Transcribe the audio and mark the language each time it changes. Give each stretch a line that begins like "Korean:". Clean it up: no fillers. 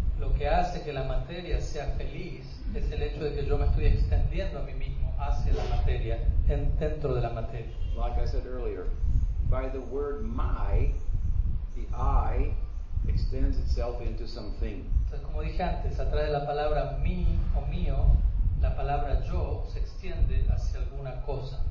Spanish: Lo que hace que la materia sea feliz es el hecho de que yo me estoy extendiendo a mí mismo hacia la materia, dentro de la materia.
English: Like I said earlier, by the word my, the I extends itself into something.
Spanish: Entonces, como dije antes, a través de la palabra mí o mío, la palabra yo se extiende hacia alguna cosa.